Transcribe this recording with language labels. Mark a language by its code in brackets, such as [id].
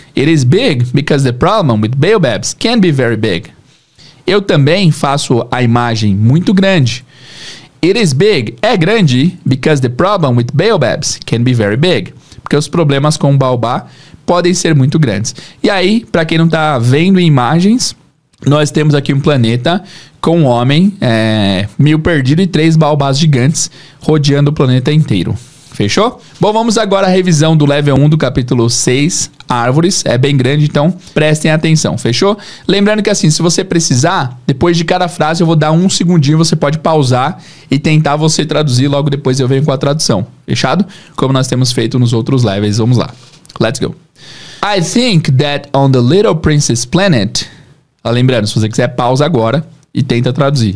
[en] It is big because the problem with baobabs can be very big. [pt] Eu também faço a imagem muito grande. [en] It is big, [pt] é grande, [en] because the problem with baobabs can be very big. [pt] Porque os problemas com o baobá podem ser muito grandes. E aí, para quem não está vendo imagens, nós temos aqui um planeta com um homem meio perdido e três baobás gigantes rodeando o planeta inteiro. Fechou? Bom, vamos agora à revisão do level 1 do capítulo 6, árvores. É bem grande, então prestem atenção. Fechou? Lembrando que assim, se você precisar, depois de cada frase eu vou dar um segundinho, você pode pausar e tentar você traduzir, logo depois eu venho com a tradução. Fechado? Como nós temos feito nos outros levels. Vamos lá. [en] Let's go. I think that on the Little Princess Planet... [pt] Lembrando, se você quiser, pausa agora e tenta traduzir.